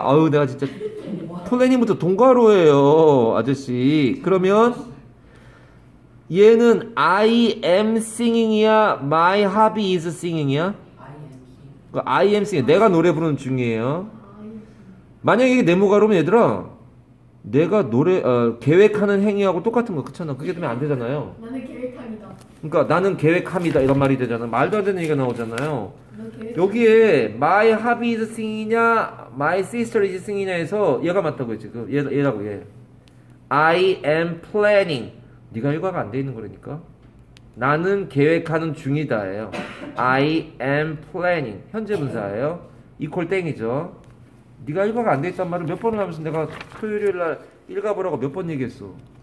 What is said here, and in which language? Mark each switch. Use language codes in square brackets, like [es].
[ko] 내가 진짜. Planning부터 동가로예요, 아저씨. 그러면 얘는 [en] I am singing이야, my hobby is singing이야? I am singing. [ko] 내가 노래 부르는 중이에요. 만약에 이게 네모가로면 얘들아, 내가 노래 계획하는 행위하고 똑같은 거, 그렇잖아. 그게 되면 안 되잖아요. 그러니까 나는 계획합니다 이런 말이 되잖아. 말도 안 되는 얘기가 나오잖아요. 여기에 [en] my hobby is singing [ko] 이냐 [en] my sister is singing [ko] 이냐 해서 얘가 맞다고요. 지금 얘라고. 얘 I am planning. 네가 일과가 안 돼 있는 거라니까. 나는 계획하는 중이다 예요 [en] I am planning. [ko] 현재 분사예요. 이퀄 땡이죠. 네가 일과가 안 돼 있단 말을 몇 번을 하면서 내가 토요일날 일과 보라고 몇 번 얘기했어.